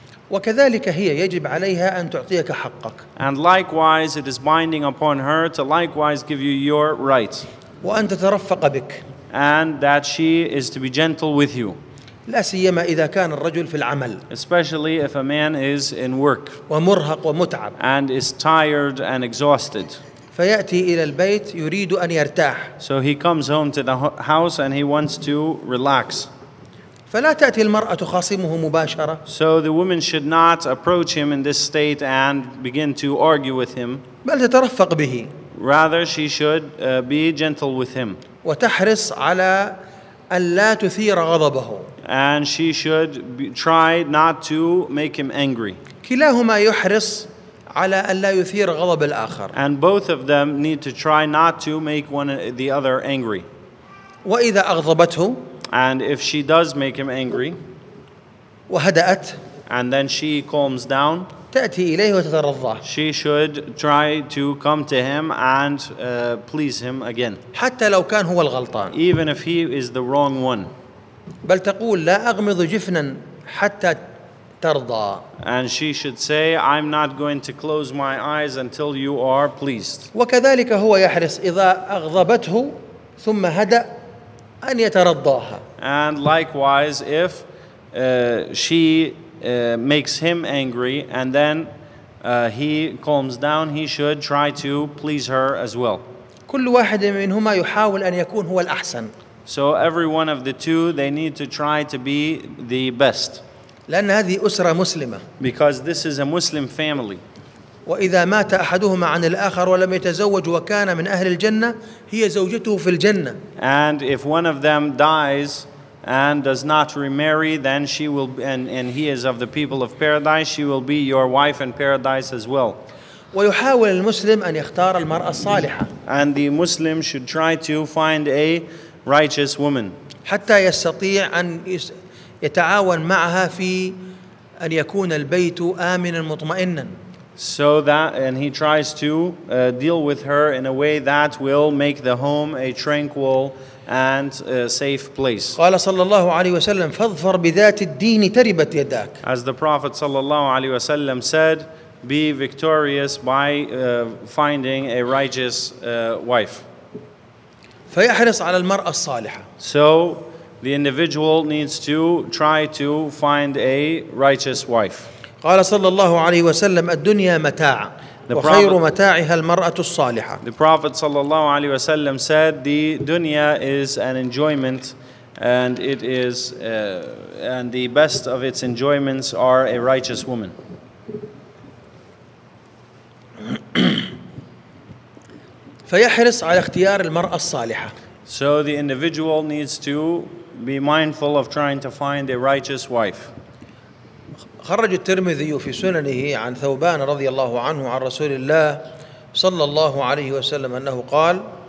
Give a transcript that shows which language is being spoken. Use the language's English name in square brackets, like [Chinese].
[Arabic] وكذلك هي يجب عليها أن تعطيك حقك. [English] And likewise, it is binding upon her to likewise give you your rights. [Arabic] وأن تترفق بك. [English] And that she is to be gentle with you. [Arabic] لا سيما إذا كان الرجل في العمل. [English] Especially if a man is in work. [Arabic] ومرهق ومتعب. [English] And is tired and exhausted. [Arabic] فيأتي إلى البيت يريد أن يرتاح. [English] So he comes home to the house and he wants to relax. [Arabic] فلا تأتي المرأة تخاصمه مباشرة. [English] So the woman should not approach him in this state and begin to argue with him. [Arabic] بل تترفق به. [English] Rather, she should be gentle with him. [Arabic] وتحرص على أن لا تثير غضبه. [English] And she should try not to make him angry. [Arabic] كلاهما يحرص على أن لا يثير غضب الآخر. [English] And both of them need to try not to make one the other angry. [Arabic] وإذا أغضبته. [English] And if she does make him angry, [Arabic] وهدأت, [English] and then she calms down, [Arabic] تأتي إليه وتترضاه, [English] she should try to come to him and please him again. [Arabic] حتى لو كان هو الغلطان. [English] Even if he is the wrong one. [Arabic] بل تقول لا أغمض جفنا حتى ترضى. [English] And she should say, I'm not going to close my eyes until you are pleased. [Arabic] وكذلك هو يحرص إذا أغضبته ثم هدأ أن يترضاها. [English] And likewise, if she makes him angry and then he calms down, he should try to please her as well. [Arabic] كل واحد منهما يحاول أن يكون هو الأحسن. [English] So every one of the two, they need to try to be the best. [Arabic] لأن هذه أسرة مسلمة. [English] Because this is a Muslim family. [Arabic] وإذا مات أحدهما عن الآخر ولم يتزوج وكان من أهل الجنة هي زوجته في الجنة. [English] And if one of them dies and does not remarry, then she will be, and he is of the people of paradise, she will be your wife in paradise as well. [Arabic] ويحاول المسلم أن يختار المرأة الصالحة. [English] And the Muslim should try to find a righteous woman. [Arabic] حتى يستطيع أن يتعاون معها في أن يكون البيت آمناً مطمئناً. [English] so that, and he tries to deal with her in a way that will make the home a tranquil and a safe place. [Arabic] قال صلى الله عليه وسلم فاظفر بذات الدين تربت يداك. [English] As the Prophet [Arabic] صلى الله عليه وسلم [English] said, be victorious by finding a righteous wife. [Arabic] فيحرص على المرأة الصالحة. [English] So the individual needs to try to find a righteous wife. [Arabic] قال صلى الله عليه وسلم الدنيا متاع وخير متاعها المرأة الصالحة. [English] The Prophet [Arabic] صلى الله عليه وسلم [English] said the dunya is an enjoyment and it is and the best of its enjoyments are a righteous woman. [Arabic] فيحرص على اختيار المرأة الصالحة. [English] So the individual needs to be mindful of trying to find a righteous wife. [Arabic] خرج الترمذي في سننه عن ثوبان رضي الله عنه عن رسول الله صلى الله عليه وسلم أنه قال